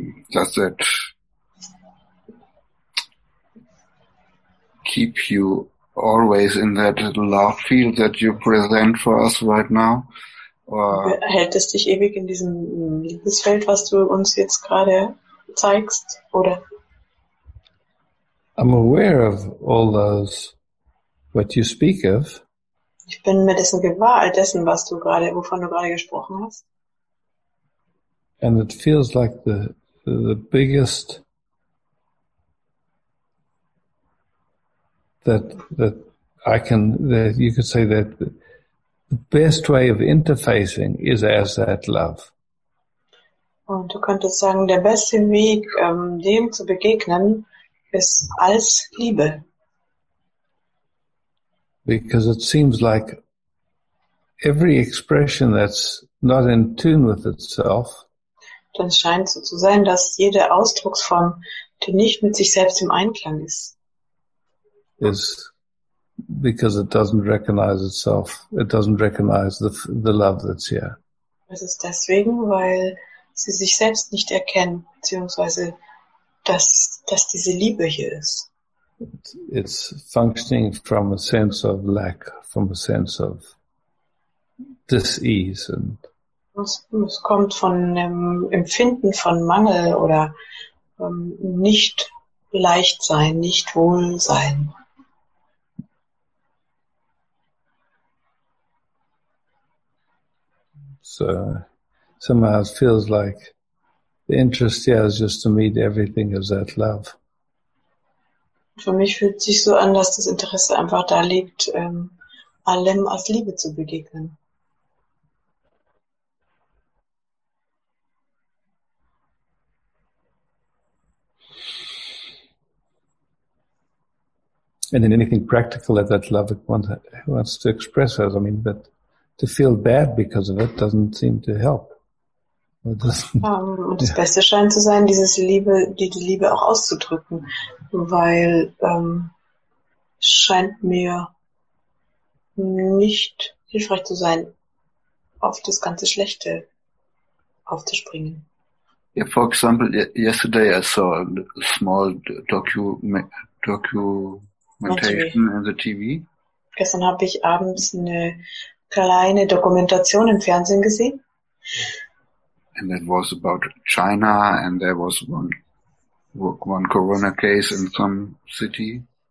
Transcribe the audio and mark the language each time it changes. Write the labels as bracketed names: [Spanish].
[English] does that keep you always in that love field that you present for us right now? [German] Hält es dich ewig in diesem Liebesfeld, was du uns jetzt gerade zeigst, oder? [English] I'm aware of all those, what you speak of. [German] Ich bin mir dessen gewahr, all dessen, was du gerade, wovon du gerade gesprochen hast. [English] And it feels like the biggest that I can, that you could say that the best way of interfacing is as that love. [German] Und du könntest sagen, der beste Weg, dem zu begegnen, ist als Liebe. [English] Because it seems like every expression that's not in tune with itself. [German] Dann scheint so zu sein, dass jede Ausdrucksform, die nicht mit sich selbst im Einklang ist, [English] is because it doesn't recognize itself. It doesn't recognize the love that's here. [German] Es ist deswegen, weil sie sich selbst nicht erkennen, beziehungsweise dass diese Liebe hier ist. [English] It's functioning from a sense of lack, from a sense of dis-ease. [German] Es kommt von einem Empfinden von Mangel oder nicht leicht sein, nicht wohl sein. [English] So, somehow it feels like the interest here is just to meet everything as that love. [German] Für mich fühlt sich so an, dass das Interesse einfach da liegt, allem als Liebe zu begegnen. [English] And in anything practical that that love wants to express as, I mean, but to feel bad because of it doesn't seem to help. [German] Und das Beste scheint zu sein, dieses Liebe, die Liebe auch auszudrücken, weil scheint mir nicht hilfreich zu sein, auf das ganze Schlechte aufzuspringen. [English] Yeah, for example, yesterday I saw a small documentation on the TV. [German] Gestern habe ich abends eine kleine Dokumentation im Fernsehen gesehen. [English] And it was about China, and there was one Corona case in some city.